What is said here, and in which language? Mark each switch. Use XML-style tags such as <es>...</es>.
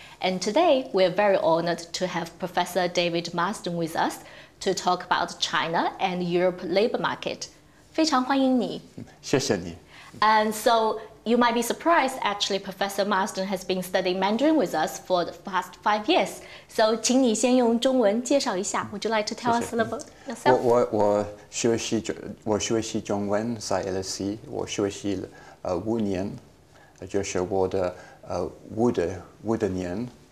<en>And today, we're very honored to have Professor David Marsden with us to talk about China and Europe labor market.</en> <zh>非常欢迎你. 谢谢你.</zh> <en>And so you might be surprised, actually, Professor Marsden has been studying Mandarin with us for the past 5 years.</en> <zh>So 请你先用中文介绍一下.</zh> <en>Would you like to tell 谢谢. Us a little about yourself?</en> <zh>我学习中文在LSE, 我学习五年, 就是我的五年。</zh>